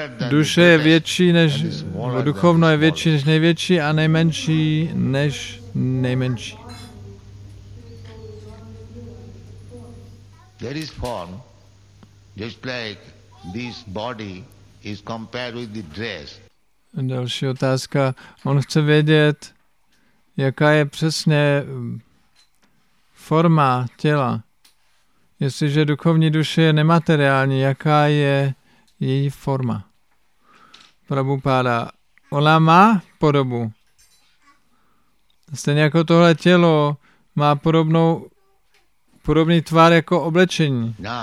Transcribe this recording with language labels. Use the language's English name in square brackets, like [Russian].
[Czech] Duše je větší než, duchovno je větší než největší a nejmenší než nejmenší. [English] There is form, just like this body is compared with the dress. [Czech] Další otázka. On chce vědět, jaká je přesně forma těla. Jestliže duchovní duše je nemateriální, jaká je její forma? Prabhupáda. Ona má podobu. Stejně jako tohle tělo má podobný tvar jako oblečení.